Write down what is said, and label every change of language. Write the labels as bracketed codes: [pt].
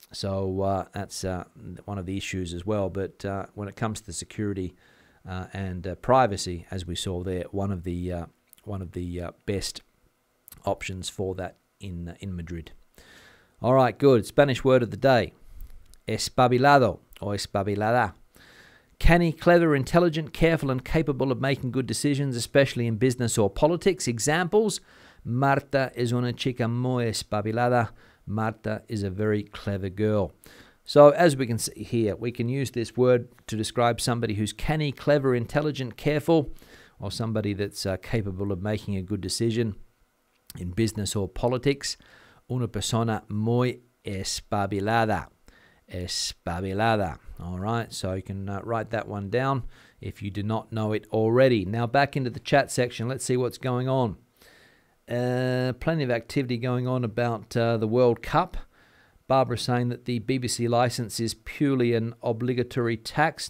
[en] So that's one of the issues as well. But when it comes to security and privacy, as we saw there, one of the best options for that in Madrid. All right, good. Spanish word of the day. espabilado or espabilada. Canny, clever, intelligent, careful, and capable of making good decisions, especially in business or politics. [es] Examples, Marta es una chica muy espabilada. [en] Marta is a very clever girl. So as we can see here, we can use this word to describe somebody who's canny, clever, intelligent, careful, or somebody that's capable of making a good decision in business or politics. [es] Una persona muy espabilada. Espabilada. [en] All right, so you can write that one down if you do not know it already. Now back into the chat section. Let's see what's going on. Plenty of activity going on about the World Cup. Barbara saying that the BBC license is purely an obligatory tax.